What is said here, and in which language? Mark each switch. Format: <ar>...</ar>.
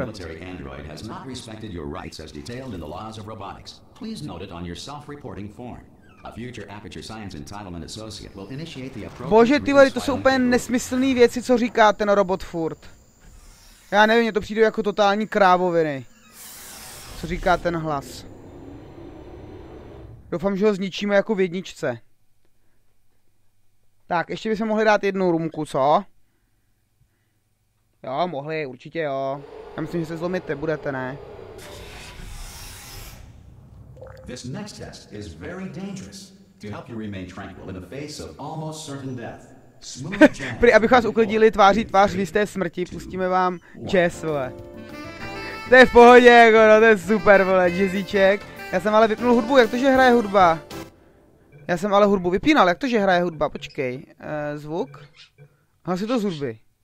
<en>Military android has not respected your rights as detailed in the laws of robotics. Please note it on your self-reporting form. A future Aperture Science entitlement associate will initiate the appropriate.</en> <cs>Bože, ty vole, to jsou úplně nesmyslné věci, co říká ten robot furt. Já nevím, mě to přijde jako totální krávoviny. Co říká ten hlas? Doufám, že ho zničíme jako v jedničce. Tak, ještě bychom mohli dát jednu růmku, co? Jo, mohli, určitě jo. Já myslím, že se zlomit budete, ne?</cs> <en>This next test is very dangerous. To help you remain tranquil in the face of almost certain death.</en> <cs>Prý, abych vás uklidili tváří tvář v jisté smrti, pustíme vám jazz, vole. To je v pohodě, jako, no, to je super, vole, jazzíček. Já jsem ale vypnul hudbu, jak to, že hraje hudba? Já jsem ale hudbu vypínal, jak to, že hraje hudba? Počkej, zvuk? Hlasy to z hudby.</cs>